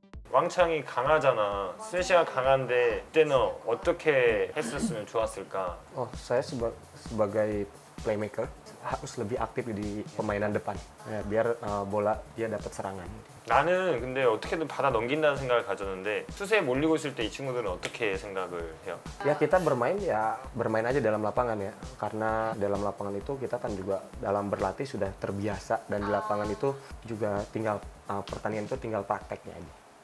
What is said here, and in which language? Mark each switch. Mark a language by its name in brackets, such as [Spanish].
[Korean] Wang Chang이 강하잖아. 세시가 강한데 그때는 어떻게 했었으면 좋았을까? [Indonesian] Oh, saya sebagai playmaker harus lebih aktif di permainan depan. Ya, biar bola dia dapat serangan. [Korean] 나는 근데 어떻게든 받아 넘긴다는 생각을 가졌는데 수세에 몰리고 있을 때 이 친구들은 어떻게 생각을 해요? [Indonesian] Ya, kita bermain ya bermain aja dalam lapangan ya. Karena dalam lapangan itu kita kan juga dalam berlatih sudah terbiasa, dan di lapangan itu juga tinggal pertandingan itu tinggal prakteknya aja.